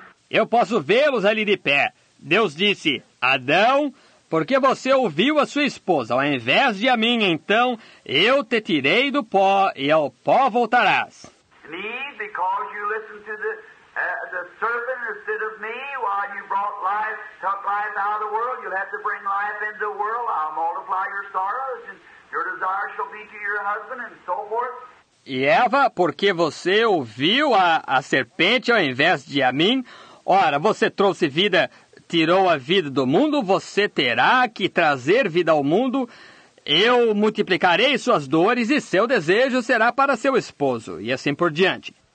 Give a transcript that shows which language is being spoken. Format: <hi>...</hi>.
<pt>Eu posso vê-los ali de pé. Deus disse, Adão, porque você ouviu a sua esposa ao invés de a mim. Então, eu te tirei do pó e ao pó voltarás.</pt> <en>Me, because you listened to the serpent instead of me, while you brought life, took life out of the world, you'll have to bring life into the world. I'll multiply your sorrows, and your desire shall be to your husband, and so forth.</en> <pt>E Eva, porque você ouviu a serpente ao invés de a mim, ora, você trouxe vida, tirou a vida do mundo, você terá que trazer vida ao mundo. Eu multiplicarei suas dores e seu desejo será para seu esposo, e assim por diante.</pt>